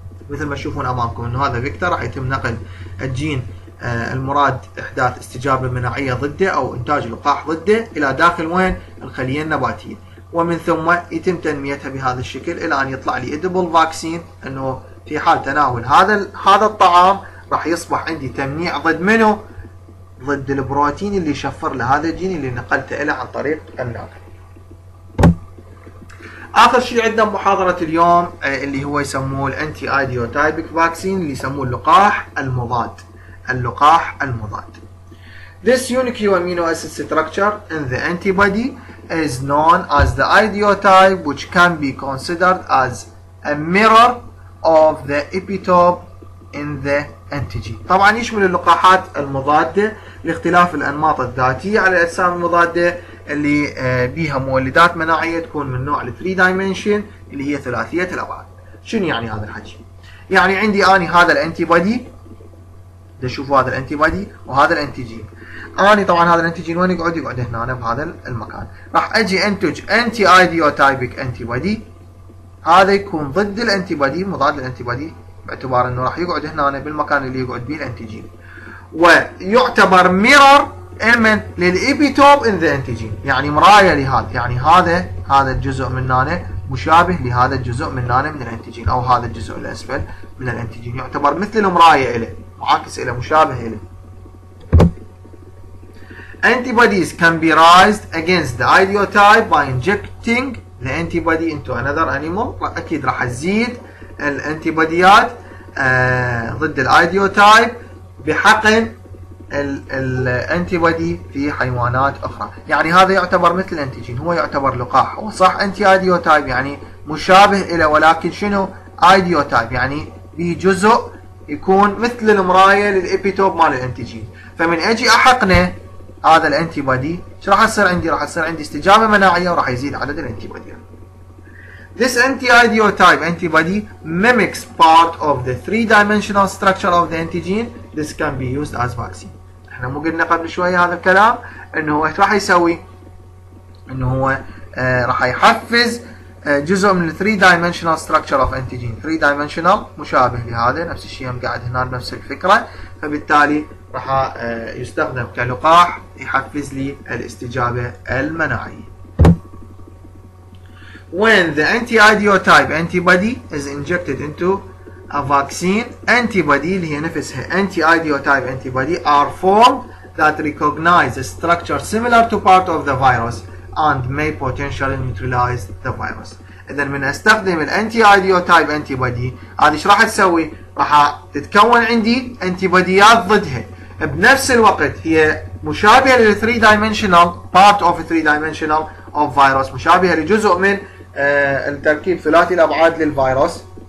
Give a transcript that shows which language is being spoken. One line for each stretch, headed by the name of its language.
Arabic: مثل ما تشوفون امامكم انه هذا فيكتور راح يتم نقل الجين المراد احداث استجابه مناعيه ضده او انتاج لقاح ضده الى داخل وين؟ الخليه النباتيه، ومن ثم يتم تنميتها بهذا الشكل الى ان يطلع لي ادبل فاكسين، انه في حال تناول هذا الطعام راح يصبح عندي تمنيع ضد منه؟ ضد البروتين اللي شفر لهذا الجين اللي نقلته له عن طريق النقل. اخر شيء عندنا بمحاضره اليوم اللي هو يسموه الانتي ايديوتايبك فاكسين، اللي يسموه اللقاح المضاد. اللقاح المضاد.
English: This unique amino acid structure in the antibody is known as the ideotype, which can be considered as a mirror of the epitope in the antigen.
Arabic: طبعا يشمل اللقاحات المضادة لاختلاف الأنماط الذاتية على الأجسام المضادة اللي بيها مولدات مناعية تكون من نوع 3 dimension اللي هي ثلاثية الأبعاد. شنو يعني هذا الحكي؟ يعني عندي أني هذا الأنتيبادي، بدي أشوف هذا الأنتيبادي وهذا الأنتيجين. أني طبعا هذا الأنتيجين وين يقعد؟ يقعد هنا أنا بهذا المكان. راح أجي أنتج أنتي أيديوتايبك أنتيبادي، هذا يكون ضد الانتيبادي، مضاد الانتيبادي، باعتبار انه راح يقعد هنا بالمكان اللي يقعد به الانتيجين. ويعتبر ميرور المن للإبيتوب إن ذا أنتيجين، يعني مراية لهذا، يعني هذا الجزء مننا مشابه لهذا الجزء مننا من الأنتيجين، أو هذا الجزء الأسفل من الأنتيجين يعتبر مثل المراية إليه، معاكس إليه، مشابه إليه.
English: Antibodies can be raised against the ideotype by injecting the antibody into another animal.
Arabic: أكيد راح أزيد الأنتيبوديات ضد الأيديوتايب بحقن الأنتيبودي في حيوانات أخرى. يعني هذا يعتبر مثل الأنتيجين، هو يعتبر لقاح، هو صح أنتي أيديوتايب يعني مشابه إلى، ولكن شنو أيديوتايب يعني به جزء يكون مثل المراية للإبيتوب مال الأنتيجين. فمن أجي أحقنه هذا الأنتيبودي شو راح يصير عندي؟ راح يصير عندي استجابة مناعية وراح يزيد عدد الأنتيبودي.
English: This anti-ideotype antibody mimics part of the three-dimensional structure of the antigen. This can be used as vaccine.
Arabic: احنا مو قلنا قبل شوية هذا الكلام انه هو راح يسوي انه هو راح يحفز جزء من
English: the three-dimensional structure of antigen.
Arabic: Three-dimensional مشابه لهذا، نفس الشيء قاعد هنا بنفس الفكرة، فبالتالي راح يستخدم كلقاح يحفز لي الاستجابة المناعية.
English: When the anti-ideotype antibody is injected into a vaccine, antibody
Arabic: اللي هي نفسها
English: anti-ideotype antibody are formed that recognize a structure similar to part of the virus and may potentially neutralize the virus.
Arabic: إذا من استخدم ال anti-ideotype antibody هذه شو راح تسوي؟ راح تتكون عندي antibodies ضدها. بنفس الوقت هي مشابهة لل
English: three-dimensional part of a three-dimensional of virus،
Arabic: مشابهة لجزء من التركيب ثلاثي الابعاد للفيروس.